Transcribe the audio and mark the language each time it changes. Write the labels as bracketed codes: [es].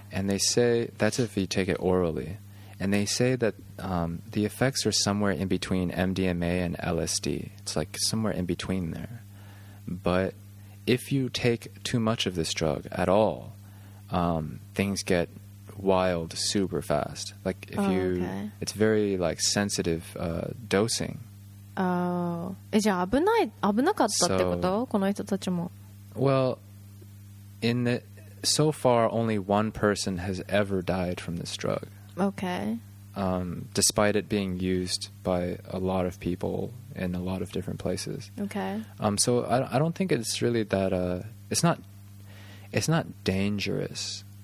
[en] And they say that's if you take it orally. And they say that the effects are somewhere in between MDMA and LSD. It's like somewhere in between there. But if you take too much of this drug at all, things get wild super fast. Like if you, okay. It's very like sensitive dosing. [ja] Oh, じゃあ危ない、危なかったってこと？この人たちも。 [en] Well, in the so far, only one person has ever died from this drug. Okay. Despite it being used by a lot of people. In a lot of different places. Okay. So I don't think it's really that. It's not dangerous.